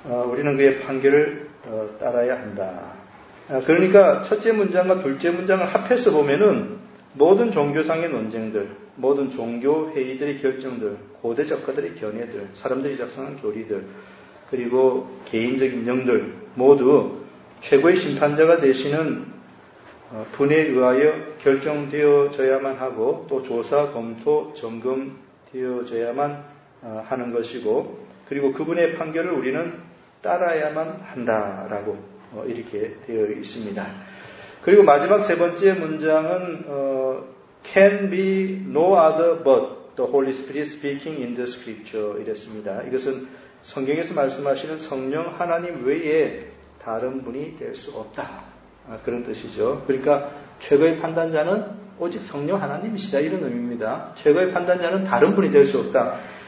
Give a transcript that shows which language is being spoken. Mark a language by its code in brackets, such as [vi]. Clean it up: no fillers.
[ko] 우리는 그의 판결을 따라야 한다. 그러니까 첫째 문장과 둘째 문장을 합해서 보면은 모든 종교상의 논쟁들, 모든 종교 회의들의 결정들, 고대 작가들의 견해들, 사람들이 작성한 교리들, 그리고 개인적인 영들 모두 최고의 심판자가 되시는 분에 의하여 결정되어져야만 하고 또 조사, 검토, 점검되어져야만 하는 것이고 그리고 그분의 판결을 우리는 따라야만 한다라고 이렇게 되어 있습니다. 그리고 마지막 세 번째 문장은 [en] Can be no other but the Holy Spirit speaking in the Scripture [ko] 이랬습니다. 이것은 성경에서 말씀하시는 성령 하나님 외에 다른 분이 될 수 없다. 그런 뜻이죠. 그러니까 최고의 판단자는 오직 성령 하나님이시다 이런 의미입니다. 최고의 판단자는 다른 분이 될 수 없다.